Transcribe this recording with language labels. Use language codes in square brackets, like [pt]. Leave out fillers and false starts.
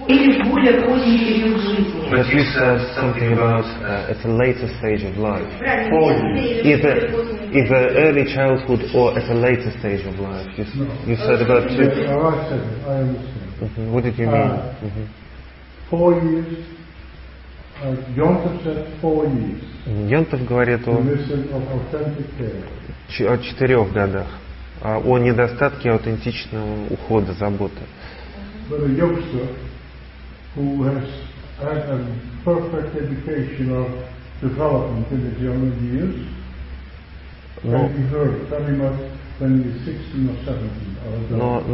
[en] But you said something about at a later stage of life. Either early childhood or at a later stage of life. You said about two. Yes, I said it. I understand. Mm-hmm. What did you mean? Mm-hmm. 4 years. Йонтов said 4 years. [ru] Йонтов говорит о четырех годах, о недостатке аутентичного ухода, заботы. [en] But a youngster who has had a perfect education of development in his younger years, can be heard very much when he is 16 or 17.